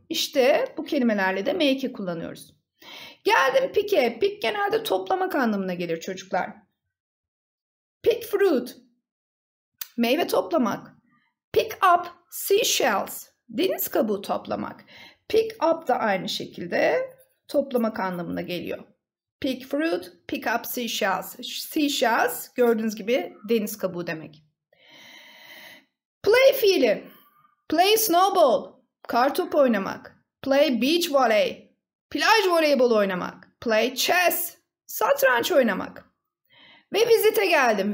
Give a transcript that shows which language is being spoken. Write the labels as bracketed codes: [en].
[tr] İşte bu kelimelerle de make'i kullanıyoruz. Geldim pick'e. Pick genelde toplamak anlamına gelir çocuklar. [en] Pick fruit, [tr] meyve toplamak. [en] Pick up seashells, [tr] deniz kabuğu toplamak. Pick up da aynı şekilde toplamak anlamına geliyor. [en] Pick fruit, pick up seashells. [tr] Seashells gördüğünüz gibi deniz kabuğu demek. Play fiili. [en] Play snowball, [tr] kar topu oynamak. [en] Play beach volley, [tr] plaj voleybolu oynamak. [en] Play chess, [tr] satranç oynamak. Ve visit'e geldim.